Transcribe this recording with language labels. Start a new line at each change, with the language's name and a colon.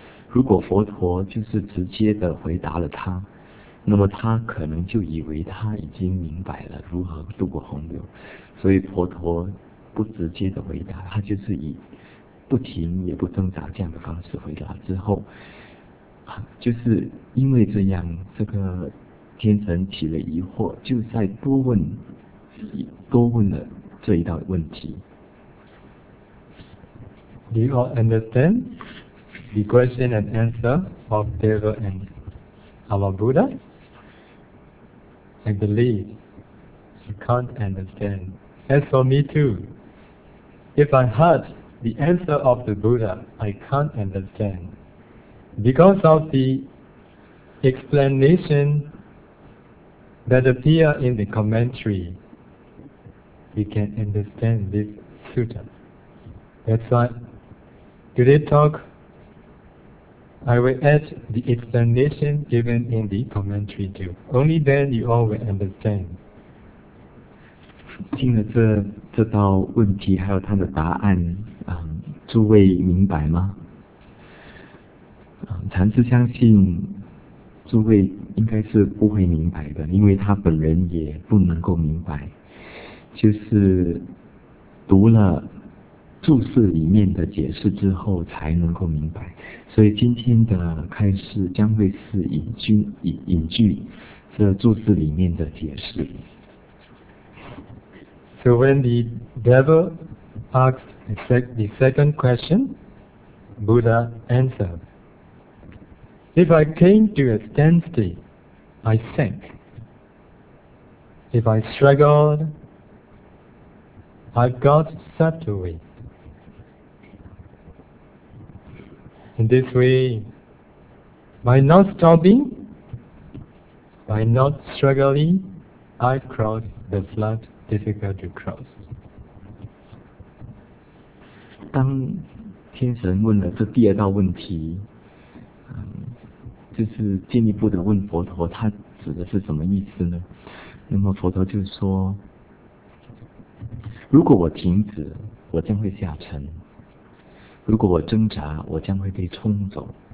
Chinese: 如果佛陀就是直接的回答了他，那么他可能就以为他已经明白了如何渡过洪流，所以佛陀不直接的回答，他就是以不停也不挣扎这样的方式回答之后，啊，就是因为这样，这个天神起了疑惑，就再多问了这一道问题。
English: Do you all understand the question and answer of Deva and our Buddha? I believe you can't understand. As for me too, if I heard the answer of the Buddha, I can't understand. Because of the explanation that appear in the commentary, we can understand this sutta. That's why today talk, I will add the explanation given in the commentary too. Only then you all will understand.
Chinese: 听了这道问题，还有他的答案，诸位明白吗？禅师相信诸位应该是不会明白的，因为他本人也不能够明白，就是读了注释里面的解释之后才能够明白，所以今天的开示将会是引据这注释里面的解释。
English: So when the devil asked the second question, Buddha answered, If I came to a standstill, I sank. If I struggled, I got swept away. In this way, by not stopping, by not struggling, I crossed the flood difficult to cross.
Chinese: 当天神问了这第二道问题，就是进一步的问佛陀，他指的是什么意思呢？那么佛陀就说：“如果我停止，我将会下沉；如果我挣扎，我将会被冲走。